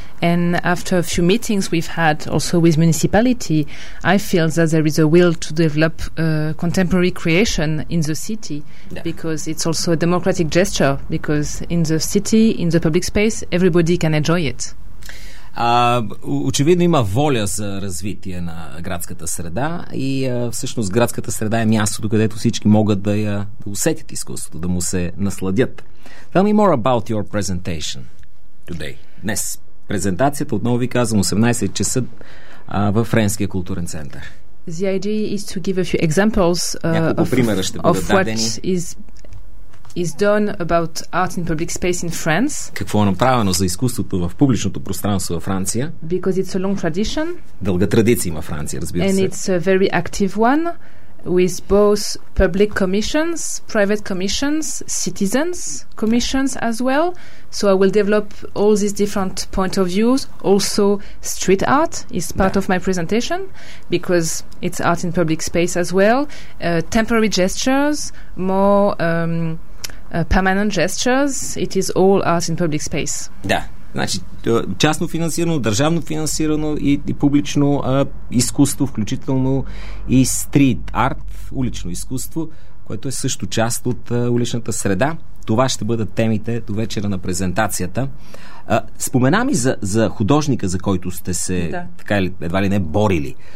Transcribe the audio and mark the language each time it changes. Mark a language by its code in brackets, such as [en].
[en] And after a few meetings we've had also with municipality, I feel that there is a will to develop contemporary creation in the city because it's also a democratic gesture, because in the city, in the public space, everybody can enjoy it. [bg] Очевидно има воля за развитие на градската среда и всъщност градската среда е мястото, където всички могат да я усетят изкуството, да му се насладят. [en] Tell me more about your presentation today. [bg] Днес. Презентацията, отново ви казвам, 18 часа в Френския културен център. [en] The idea is to give a few examples of what is done about art in public space in France. [bg] Какво е направено за изкуството в публичното пространство във Франция? [en] Because it's a long tradition. [bg] Дълга традиция има Франция, разбира се. [en] And it's a very active one with both public commissions, private commissions, citizens commissions as well. So I will develop all these different point of views. Also, street art is part of my presentation because it's art in public space as well. Temporary gestures, more permanent gestures, it is all art in public space. [bg] Да, значи частно финансирано, държавно финансирано и публично изкуство, включително и стрит арт, улично изкуство, което е също част от уличната среда. Това ще бъдат темите до вечера на презентацията. Спомена ми за художника, за който сте се така или едва ли не борили.